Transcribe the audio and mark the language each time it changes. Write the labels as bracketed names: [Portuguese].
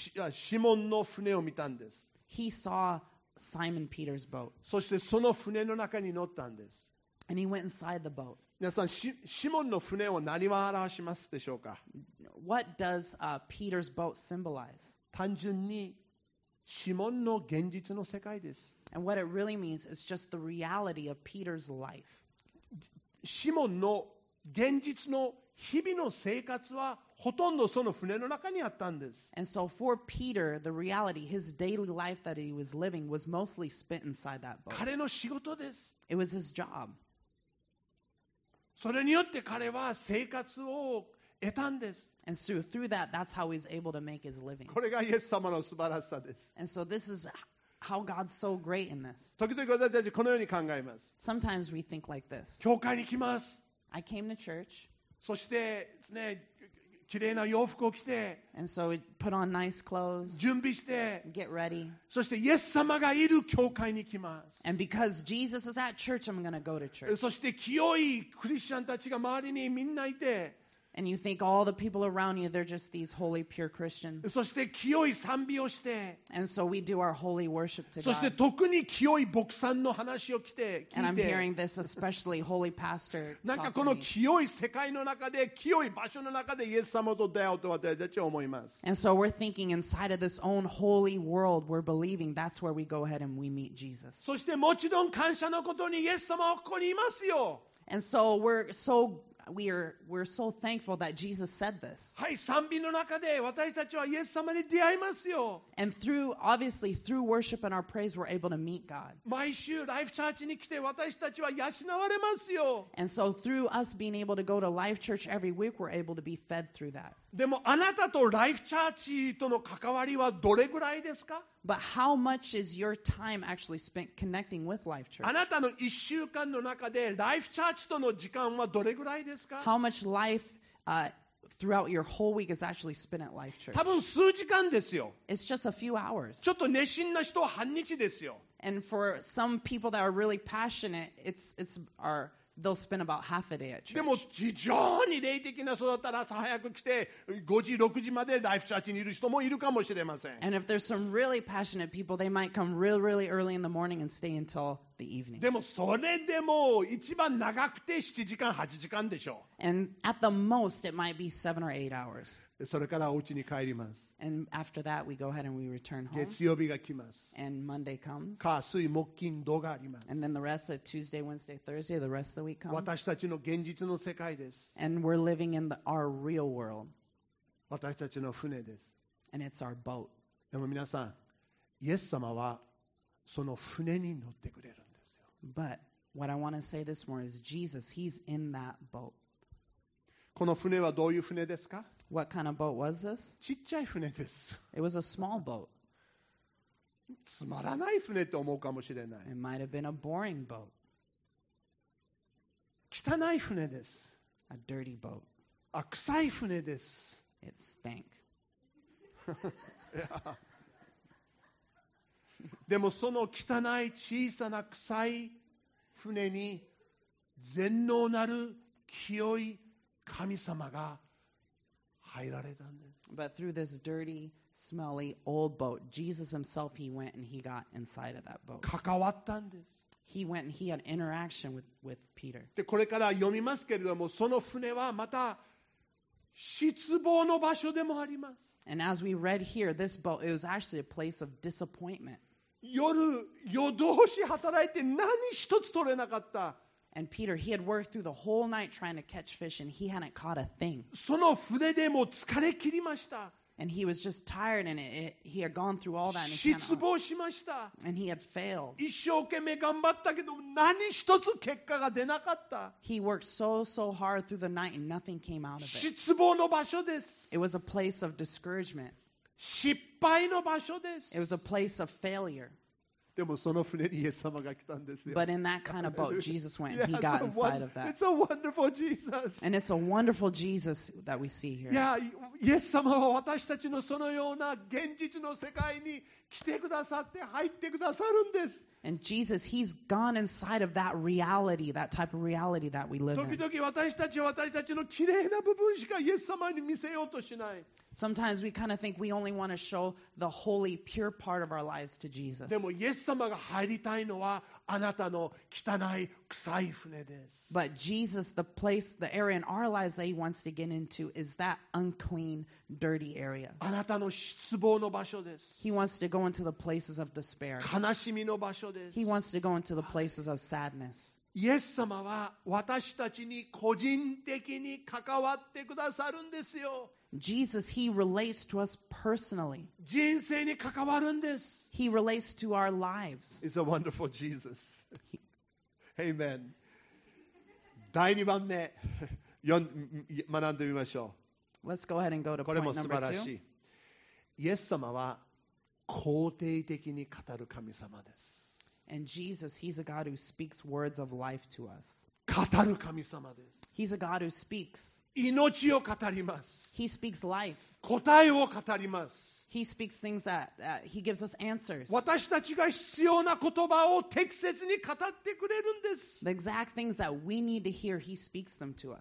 [Japanese] シモンの船を見たんです。 [English] He saw Simon Peter's boat. [Japanese] そしてその船の中に乗ったんです。 [English] And he went inside the boat. [Japanese] 皆さん、シモンの船を何を表しますでしょうか? [English] What does Peter's boat symbolize? [Japanese] 単純にシモンの現実の世界です。 [English] And what it really means is just the reality of Peter's life. [Japanese] シモンの現実の日々の生活はほとんどその船の中にあったんです。 [English] And so for Peter, the reality, his daily life that he was living was mostly spent inside that boat. [Japanese] 彼の仕事です。 [English] It was his job. [Japanese] それによって彼は生活を得たんです。 [English] And so through that, that's how he's able to make his living. [Japanese] これがイエス様の素晴らしさです。 [English] And so this is how God's so great in this. [Japanese] 時々私たちこのように考えます。 [English] Sometimes we think like this. [Japanese] 教会に来ます。 [English] I came to church. [Japanese] そしてですね、綺麗な洋服を着て。 [English] And so we put on nice clothes. [Japanese] 準備して。 [English] Get ready. [Japanese] そしてイエス様がいる教会に来ます。 [English] And because Jesus is at church, I'm going to go to church. [Japanese] そして清いクリスチャンたちが周りにみんないて。 [English] And you think all the people around you, they're just these holy, pure Christians. [Japanese] そして清い賛美をして。 [English] And so we do our holy worship to God. [Japanese] そして特に清い牧さんの話を聞いて。 [English] And I'm hearing this, especially holy pastor. [Japanese] なんかこの清い世界の中で、清い場所の中でイエス様と出会うと私たち思います。 [English] And so we're thinking inside of this own holy world, we're believing that's where we go ahead and we meet Jesus. [Japanese] そしてもちろん感謝のことにイエス様はここにいますよ。 [English] And so we're so we're so thankful that Jesus said this. [Japanese] はい、賛美の中で私たちはイエス様に出会いますよ。 [English] And through, obviously, through worship and our praise, we're able to meet God. [Japanese] 毎週ライフチャーチに来て私たちは養われますよ。 [English] And so through us being able to go to Life Church every week, we're able to be fed through that. [Japanese] でもあなたとライフチャーチとの関わりはどれぐらいですか？ [English] But how much is your time actually spent connecting with Life Church? [Japanese] あなたの一週間の中でライフチャーチとの時間はどれぐらいですか？ [English] How much life, throughout your whole week is actually spent at Life Church? [Japanese] 多分数時間ですよ。 [English] It's just a few hours. [Japanese] ちょっと熱心な人は半日ですよ。 [English] And for some people that are really passionate, they'll spend about half a day at church. [Japanese] でも非常に霊的な人だったら朝早く来て5時6時までライフチャーチにいる人もいるかもしれません。 [English] And if there's some really passionate people, they might come really, really early in the morning and stay until the evening. [Japanese] でもそれでも一番長くて7時間8時間でしょう。 [English] And at the most, it might be 7 or 8 hours. [Japanese] それからお家に帰ります。 [English] And after that, we go ahead and we return home. [Japanese] 月曜日が来ます。 [English] And Monday comes. [Japanese] 火水木金土があります。 [English] And then the rest of Tuesday, Wednesday, Thursday, the rest of the week comes. [Japanese] 私たちの現実の世界です。 [English] And we're living in our real world. [Japanese] 私たちの船です。 [English] And it's our boat. [Japanese] でも皆さん、イエス様はその船に乗ってくれるんですよ。 [English] But what I want to say this morning is Jesus, he's in that boat. [Japanese] この船はどういう船ですか? [English] What kind of boat was this? [Japanese] ちっちゃい船です。 [English] It was a small boat. [Japanese] つまらない船と思うかもしれない。 [English] It might have been a boring boat. [Japanese] 汚い船です。 [English] A dirty boat. [Japanese] あ、臭い船です。 [English] It stank. [Japanese] でもその汚い小さな臭い船に全能なる清い神様が入られたんです。 [English] But through this dirty, smelly, old boat, Jesus himself, he went and he got inside of that boat. [Japanese] 関わったんです。 [English] He went and he had interaction with Peter. [Japanese] で、これから読みますけれども、その船はまた失望の場所でもあります。 [English] And as we read here, this boat, it was actually a place of disappointment. [Japanese] 夜、夜通し働いて何一つ取れなかった。 [English] And Peter, he had worked through the whole night trying to catch fish and he hadn't caught a thing. [Japanese] その船でも疲れ切りました。 [English] And he was just tired and he had gone through all that. [Japanese] 失望しました。 [English] And he had failed. [Japanese] 一生懸命頑張ったけど何一つ結果が出なかった。 [English] He worked so, so hard through the night and nothing came out of it. [Japanese] 失望の場所です。 [English] It was a place of discouragement. [Japanese] 失敗の場所です。 [English] It was a place of failure. [Japanese] でもその船にイエス様が来たんですよ。 [English] But in that kind of boat, Jesus went and he got inside of that. It's a wonderful Jesus. And it's a wonderful Jesus that we see here. [Japanese] Yeah, イエス様は私たちのそのような現実の世界に来てくださって入ってくださるんです。 [English] And Jesus, he's gone inside of that reality, that type of reality that we live in. [Japanese] 時々私たちは私たちの綺麗な部分しかイエス様に見せようとしない。 [English] Sometimes we kind of think we only want to show the holy, pure part of our lives to Jesus. [Japanese] でもイエス様が入りたいのはあなたの汚い臭い船です。 [English] But Jesus, the place, the area in our lives that he wants to get into is that unclean, dirty area. [Japanese] あなたの失望の場所です。 [English] He wants to go into the places of despair. [Japanese] 悲しみの場所です。 [English] He wants to go into the places of sadness. [Japanese] イエス様は私たちに個人的に関わってくださるんですよ。 [English] Jesus, he relates to us personally. [Japanese] 人生に関わるんです。 [English] He relates to our lives. It's a wonderful Jesus. Amen. [Japanese] 第2番目、学んでみましょう。 [English] Let's go ahead and go to point number two. [Japanese] これも素晴らしい。イエス様は肯定的に語る神様です。 [English] And Jesus, he's a God who speaks words of life to us. [Japanese] 語る神様です。 [English] He's a God who speaks. [Japanese] 命を語ります。 [English] He speaks life. [Japanese] 答えを語ります。 [English] He speaks things that he gives us answers. [Japanese] 私たちが必要な言葉を適切に語ってくれるんです。 [English] The exact things that we need to hear, he speaks them to us.